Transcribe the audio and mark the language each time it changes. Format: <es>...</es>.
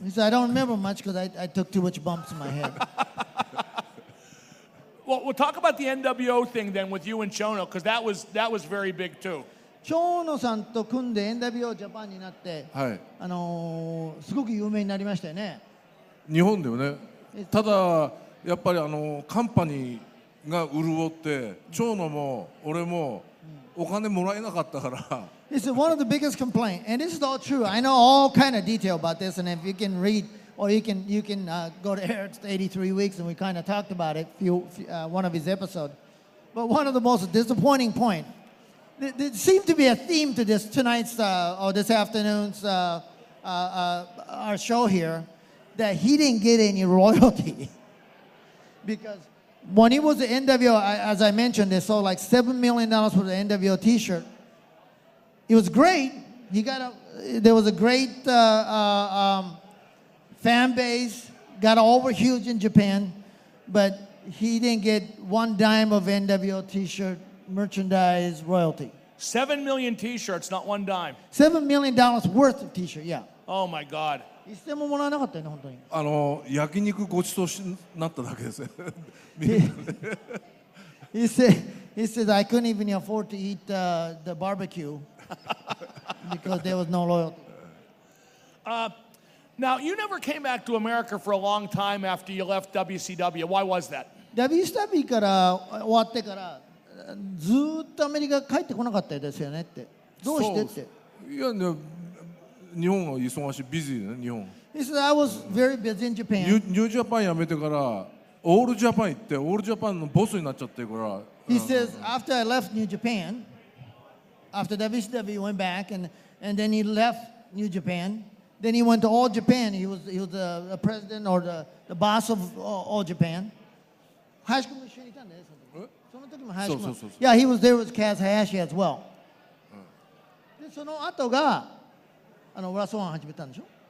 <en>He said, I don't remember much because I took too much bumps in my head. Well, we'll talk about the NWO thing then with you and Chono, because that was very big too.</en> <ja>Chono さんと組んで NWO Japan になって、はい、すごく有名になりましたよね。日本でもね。ただやっぱりカンパニーが潤って、長野も俺もお金もらえなかったから。</ja> <en>This is one of the biggest complaints, and this is all true. I know all kind of detail about this, and if you can read, or you can go to Eric's 83 weeks, and we kind of talked about it, one of his episodes. But one of the most disappointing points, there seemed to be a theme to this tonight's, or this afternoon's, our show here, that he didn't get any royalty. Because when he was the NWO, as I mentioned, they sold like $7 million for the NWO T-shirt. It was great. He got there was a great fan base, got over huge in Japan, but he didn't get one dime of NWO T-shirt merchandise royalty. 7 million T-shirts, not one dime. $7 million worth of T-shirt, yeah. Oh, my God.</en> <ja>一銭ももらわなかったよね、本当に。焼肉ごちそうになっただけですね。</ja> <en>He said, I couldn't even afford to eat the barbecue because there was no loyalty. Now, you never came back to America for a long time after you left WCW. Why was that?</en> <ja>WCW から終わってから、ずっとアメリカ帰ってこなかったですよねって。どうしてって。いや、ね。日本は忙しい、ビジーだね、日本。</ja> <en>He said, I was very busy in Japan.</en> <ja>New Japan 辞めてからオールジャパン行ってオールジャパンのボスになっちゃってから。</ja> <en>He says, after I left New Japan, after WCW went back and then he left New Japan, then he went to All Japan. He was the president or the boss of All Japan.</en> <ja>Hayashi も一緒にいたんだよ。その時も Hayashi も。そう。</ja> <en>Yeah, he was there with Kaz Hayashi as well.</en> <ja>でその後が、あのラストワン始めたんでしょ？</ja>